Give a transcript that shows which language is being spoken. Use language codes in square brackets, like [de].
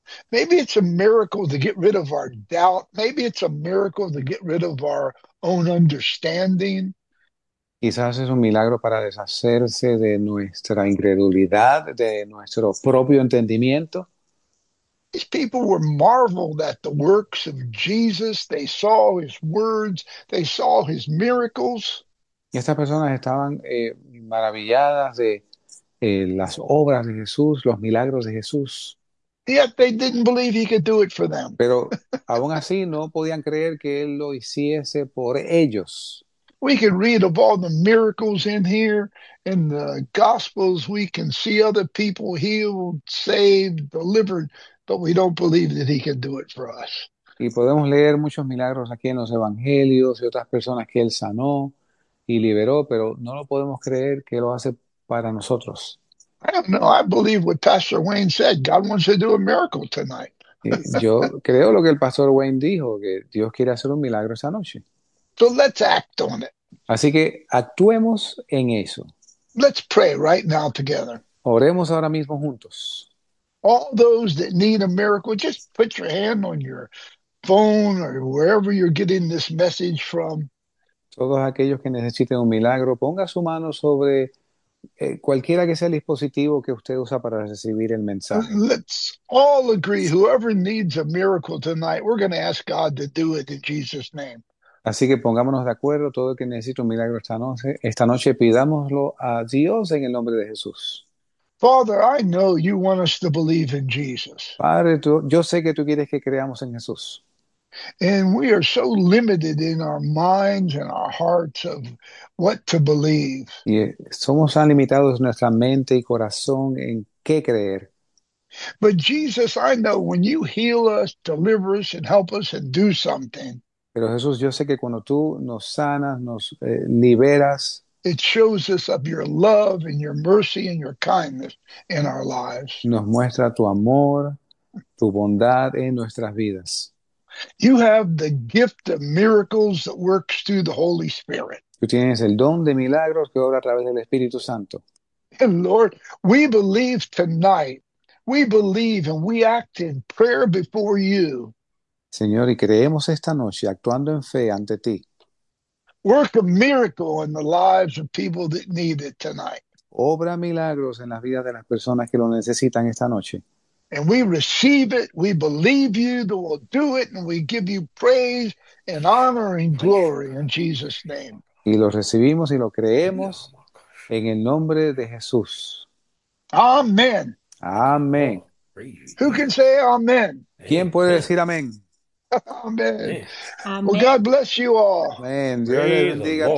[en] Maybe it's a miracle to get rid of our doubt. Maybe it's a miracle to get rid of our own understanding. [es] Quizás es un milagro para deshacerse de nuestra incredulidad, de nuestro propio entendimiento. [en] These people were marveled at the works of Jesus. They saw his words, they saw his miracles. [es] Y estas personas estaban maravilladas de las obras de Jesús, los milagros de Jesús. [en] Yet they didn't believe he could do it for them. [es] Pero aún así no podían creer que Él lo hiciese por ellos. [en] We can read of all the miracles in here in the Gospels. We can see other people healed, saved, delivered, but we don't believe that he can do it for us. [es] Y podemos leer muchos milagros aquí en los evangelios y otras personas que Él sanó y liberó, pero no lo podemos creer que lo hace para nosotros. [en] I don't know. I believe what Pastor Wayne said. God wants to do a miracle tonight. [es] Yo creo lo que el pastor Wayne dijo, que Dios quiere hacer un milagro esa noche. [en] So let's act on it. [es] Así que actuemos en eso. [en] Let's pray right now together. [es] Oremos ahora mismo juntos. [en] All those that need a miracle, just put your hand on your phone or wherever you're getting this message from. [es] Todos aquellos que necesiten un milagro, ponga su mano sobre cualquiera que sea el dispositivo que usted usa para recibir el mensaje. [en] Let's all agree, whoever needs a miracle tonight, we're going to ask God to do it in Jesus' name. [es] Así que pongámonos de acuerdo, todo el que necesite un milagro esta noche, pidámoslo a Dios en el nombre de Jesús. [en] Father, I know you want us to believe in Jesus. [es] Padre, yo sé que tú quieres que creamos en Jesús. [en] And we are so limited in our minds and our hearts of what to believe. [es] Y somos tan limitados nuestra mente y corazón en qué creer. [en] But Jesus, I know when you heal us, deliver us, and help us and do something, [es] Pero Jesús, yo sé que cuando tú nos sanas, nos liberas, [en] it shows us of your love and your mercy and your kindness in our lives. [es] nos muestra tu amor, tu bondad en nuestras vidas. [en] You have the gift of miracles that works through the Holy Spirit. [es] Tú tienes el don de milagros que obra a través del Espíritu Santo. [en] And Lord, we believe tonight. We believe and we act in prayer before you. [es] Señor, y creemos esta noche actuando en fe ante ti. [en] Work a miracle in the lives of people that need it tonight. [es] Obra milagros en las vidas de las personas que lo necesitan esta noche. [en] And we receive it, we believe you that will do it, and we give you praise and honor and glory in Jesus' name. [es] Y lo recibimos y lo creemos en el nombre de Jesús. [en] Amen. [es] Amén. [en] Oh, crazy. Who can say amen? [es] ¿Quién puede decir amén? [en] Amen. [es] Amen. [en] Well, God bless you all. [es] Amén. Dios le [en] Praise the [es] bendiga a [en] Lord.